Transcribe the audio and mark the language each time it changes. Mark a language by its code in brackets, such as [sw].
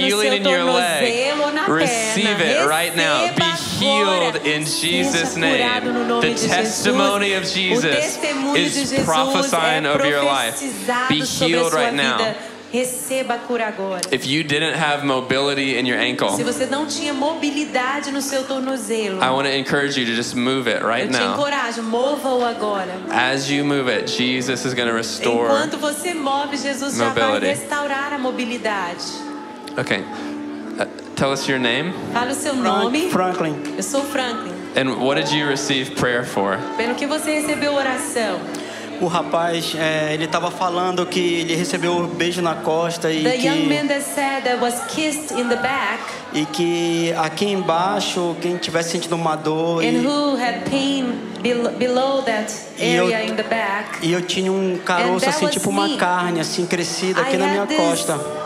[en] healing in your leg, receive it right now. Be healed in Jesus' name. The testimony of Jesus is prophesying over your life. Be healed right now. [pt] Receba a cura agora. [en] If you didn't have mobility in your ankle, [pt] se você não tinha mobilidade no seu tornozelo, [en] I want to encourage you to just move it right now. [pt] Eu te encorajo, mova-o agora. [en] As you move it, Jesus is going to restore. [pt] Enquanto você move, Jesus mobility. Já vai restaurar a mobilidade. [en] Okay. Tell us your name. [pt] Fala o seu nome. Franklin. Eu sou Franklin. [en] And what did you receive prayer for? [pt] Pelo que você recebeu oração. O rapaz, ele estava falando que ele recebeu um beijo na costa e [en] the [pt] que [en] young man that said that was kissed in the back, [pt] e que aqui embaixo quem tivesse sentindo uma dor [en] and who had pain below that area in the back, [pt] e eu tinha um caroço assim tipo uma carne assim crescida aqui na minha costa.